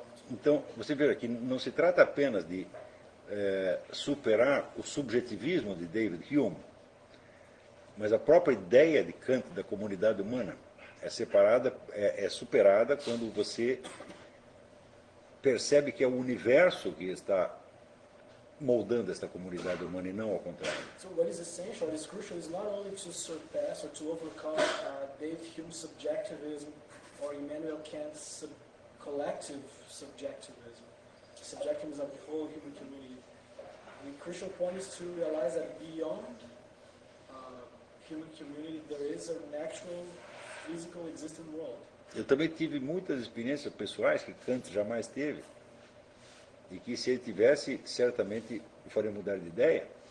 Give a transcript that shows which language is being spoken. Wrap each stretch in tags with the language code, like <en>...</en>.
<pt>Então, você vê aqui, não se trata apenas de superar o subjetivismo de David Hume, mas a própria ideia de Kant da comunidade humana é separada, é superada quando você percebe que é o universo que está moldando esta comunidade humana e não ao contrário.</pt> <en>So what is essential, what is crucial, is not only to surpass or to overcome David Hume's subjectivism or Immanuel Kant's collective subjectivism, subjectivism of the whole human community. The crucial point is to realize that beyond human community, there is an actual physical existing world.</en> <pt>Eu também tive muitas experiências pessoais que Kant jamais teve. E que se ele tivesse, certamente o faria mudar de ideia.</pt>